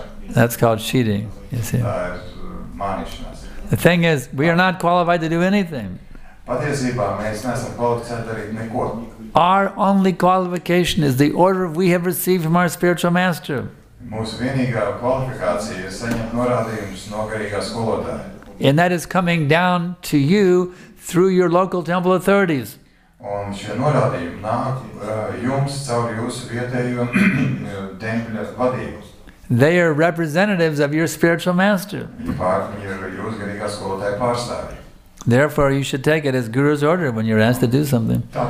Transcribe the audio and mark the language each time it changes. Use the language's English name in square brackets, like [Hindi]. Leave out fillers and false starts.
[English] That's called cheating. You see. The thing is, we are not qualified to do anything. [Latvian] Patiesībā mēs neesam kvalificēti darīt neko. [English] Our only qualification is the order we have received from our spiritual master. [Latvian] Mūsu vienīgā kvalifikācija ir saņemt norādījumus no garīgā skolotāja. [English] And that is coming down to you through your local temple authorities. [Latvian] Un šie norādījumi nāk jums caur jūsu vietējo tempļa vadību. [English] They are representatives of your spiritual master. [Latvian] Jūsu garīgā skolotāja pārstāvji. [English] Therefore, you should take it as Guru's order when you're asked to do something.